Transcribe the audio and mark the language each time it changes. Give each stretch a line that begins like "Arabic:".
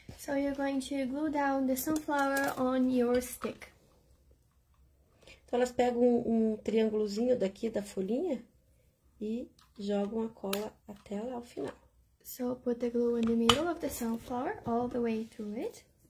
English: So, you're going to glue down the sunflower on your stick.
Portuguese: Então, elas pegam um triângulozinho daqui da folhinha. E jogam a cola até lá o final.
English: So, put the glue in the middle of the sunflower, all the way through it.